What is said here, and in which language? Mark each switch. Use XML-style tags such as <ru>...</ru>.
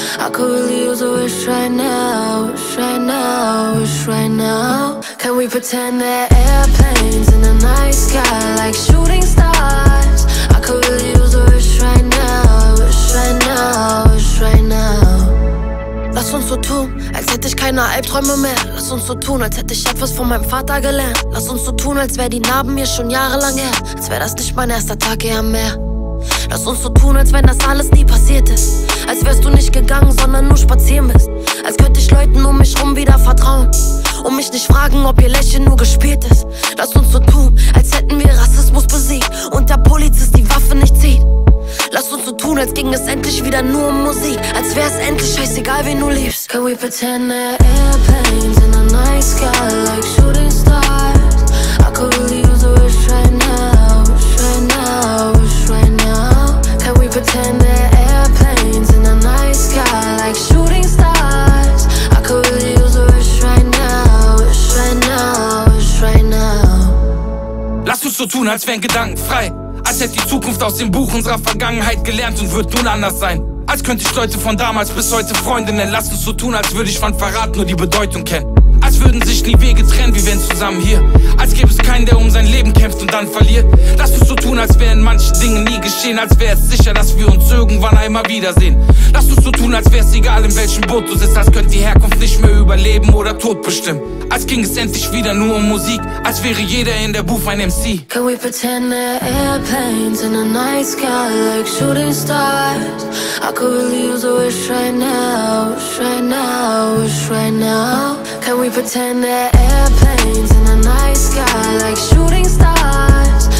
<en>I could really use a wish right now, wish right now, wish right now. Can we pretend that airplanes in the night sky like shooting stars? I could really use a wish right now, wish right now, wish right now.</en> <de>Lass uns so tun, als hätte ich keine Albträume mehr. Lass uns so tun, als hätte ich etwas von meinem Vater gelernt. Lass uns so tun, als wär die Narben mir schon jahrelang her. Als wär das nicht mein erster Tag hier am Meer. Lass uns so tun, als wenn das alles nie passiert ist. Als wärst du nicht gegangen, sondern nur spazieren bist. Als könnte ich Leuten um mich rum wieder vertrauen und mich nicht fragen, ob ihr Lächeln nur gespielt ist. Lass uns so tun, als hätten wir Rassismus besiegt und der Polizist die Waffe nicht zieht. Lass uns so tun, als ging es endlich wieder nur um Musik. Als wär's endlich scheißegal, wen du liebst.</de> <en>Can we pretend that airplanes in the night sky like shooting stars? I could really use a wish right now, wish right now, wish right now. Can we pretend that airplanes in the night sky like shooting stars? I could really use a wish right now, wish right now, wish right now.</en> <de>Lass uns so tun, als wären Gedanken frei. Als hätte die Zukunft aus dem Buch unserer Vergangenheit gelernt und wird nun anders sein. Als könnte ich Leute von damals bis heute Freunde nennen. Lass uns so tun, als würde ich von Verrat nur die Bedeutung kennen. Als würden sich nie Wege trennen, wie wenn zusammen hier. Als gäbe es keinen, der um sein Leben kämpft und dann verliert. Lass uns so tun, als wären manche Dinge nie geschehen. Als wäre es sicher, dass wir uns irgendwann einmal wiedersehen. Lass uns so tun, als wäre es egal, in welchem Boot du sitzt. Als könnte die Herkunft nicht mehr über Leben oder Tod bestimmen. Als ging es endlich wieder nur um Musik. Als wäre jeder in der Booth ein MC.</de> <en>Can we pretend that airplanes in the night sky like shooting stars? I could really use a wish right now, wish right now, wish right now. Can we pretend that airplanes in the night sky like shooting stars?</en>